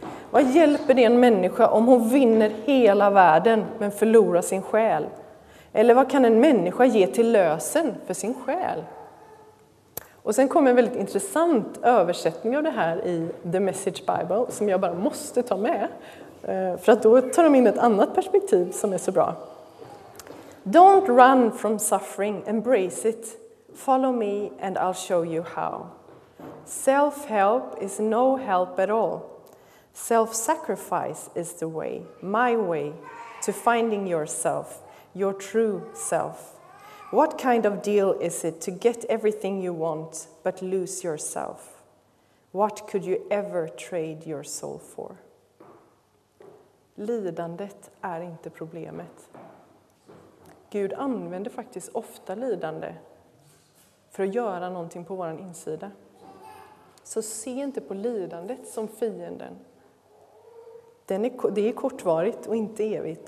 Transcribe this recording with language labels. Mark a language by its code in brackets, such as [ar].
[sv] Vad hjälper det en människa om hon vinner hela världen men förlorar sin själ? Eller vad kan en människa ge till lösen för sin själ? Och sen kommer en väldigt intressant översättning av det här i The Message Bible, som jag bara måste ta med. För att då tar de in ett annat perspektiv som är så bra. [en] Don't run from suffering, embrace it. Follow me and I'll show you how. Self-help is no help at all. Self-sacrifice is the way, my way, to finding yourself, your true self. What kind of deal is it to get everything you want but lose yourself? What could you ever trade your soul for? [sv] Lidandet är inte problemet. Gud använder faktiskt ofta lidande för att göra någonting på våran insida. Så se inte på lidandet som fienden. Det är kortvarigt och inte evigt.